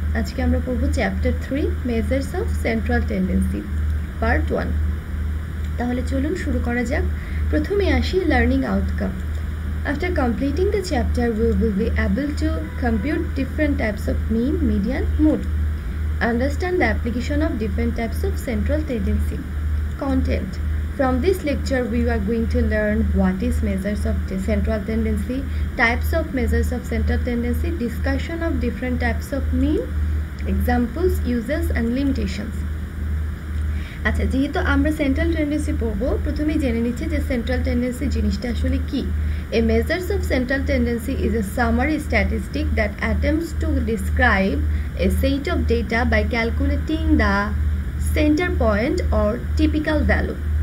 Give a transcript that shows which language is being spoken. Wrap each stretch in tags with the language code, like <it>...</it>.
<bn>আজকে আমরা পড়বো</bn> <en>Chapter 3, measures of central tendency, part 1।</en> <bn>তাহলে চলুন শুরু করা যাক। প্রথমে আসি learning outcome.</bn> <en>After completing the chapter will be able to compute different types of mean, median, mode, understand the application of different types of central tendency. Content: From this lecture, we are going to learn what is measures of central tendency, types of measures of central tendency, discussion of different types of mean, examples, uses and limitations.</en> <bn>আচ্ছা, যেহেতু আমরা central tendency পড়বো, প্রথমেই জেনে নিচ্ছি যে central tendency জিনিসটা আসলে কী।</bn> <en>A measures of central tendency is a summary statistic that attempts to describe a set of data by calculating the centre point or typical value.</en>